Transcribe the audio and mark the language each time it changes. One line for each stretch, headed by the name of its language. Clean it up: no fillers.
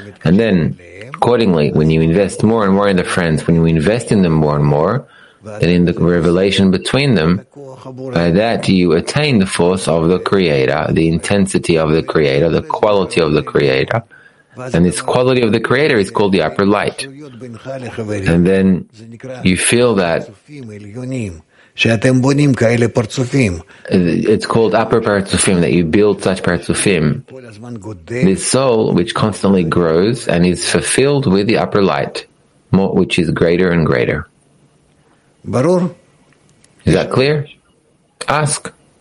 English: And then, accordingly, when you invest more and more in the friends, when you invest in them more and more, then in the revelation between them, by that you attain the force of the Creator, the intensity of the Creator, the quality of the Creator. And this quality of the Creator is called the upper light. And then you feel that
Hebrew: שאתם בונים כאלה פרצופים.
English: It's called upper parzufim, that you build such parzufim. This soul, which constantly grows and is fulfilled with the upper light, which is greater and greater.
Hebrew: ברור?
English: Is that clear? Ask.